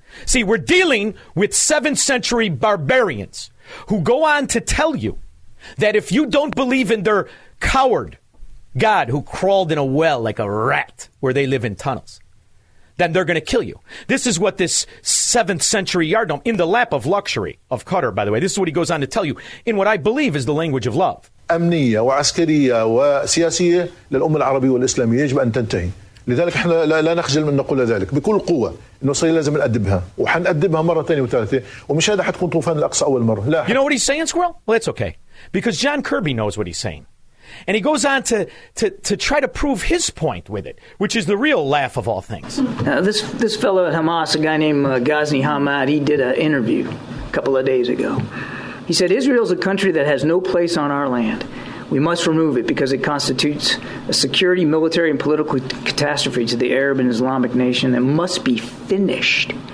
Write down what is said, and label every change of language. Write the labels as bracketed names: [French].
[English] See, we're dealing with 7th century barbarians who go on to tell you that if you don't believe in their coward God who crawled in a well like a rat where they live in tunnels, then they're going to kill you. This is what this 7th century yardom in the lap of luxury of Qatar, by the way, this is what he goes on to tell you in what I believe is the language of love. [Arabic] أمنية وعسكرية وسياسية للأمة العربية والإسلامية يجب أن تنتهي. لذلك إحنا لا نخجل من نقول ذلك بكل قوة إنه صار لازم نأدبها وحنأدبها مرة تانية وثالثة ومش هذا حتكون طوفان الأقصى أول مرة. لا. [English] You know what he's saying, Squirrel? Well, it's okay because John Kirby knows what he's saying, and he goes on to try to prove his point with it, which is the real laugh of all things. This fellow at Hamas, a guy named Ghazni Hamad, he did an interview a couple of days ago. He said, Israel's a country that has no place on our land. We must remove it because it constitutes a security, military, and political catastrophe to the Arab and Islamic nation that must be finished.